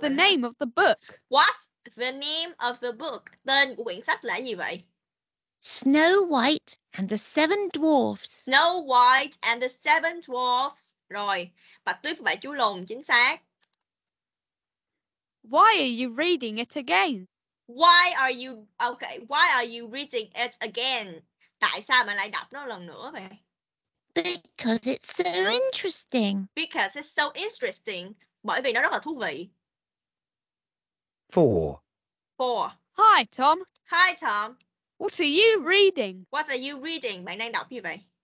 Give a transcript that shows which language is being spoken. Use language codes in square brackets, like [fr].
[en] the rồi. Name of the book? What's the name of the book? [vi] Tên của quyển sách là gì vậy? [en] Snow White and the Seven Dwarfs. Snow White and the Seven Dwarfs. [vi] Rồi, Bạch Tuyết và Chú Lùn, chính xác. [en] Why are you reading it again? Why are you, okay, why are you reading it again? [vi] Tại sao mà lại đọc nó lần nữa vậy? [en] Because it's so interesting. Because it's so interesting. [vi] Bởi vì nó rất là thú vị. [en] Four. Hi, Tom. Hi, Tom. What are you reading? What are you reading? [vi] Bạn đang đọc gì vậy?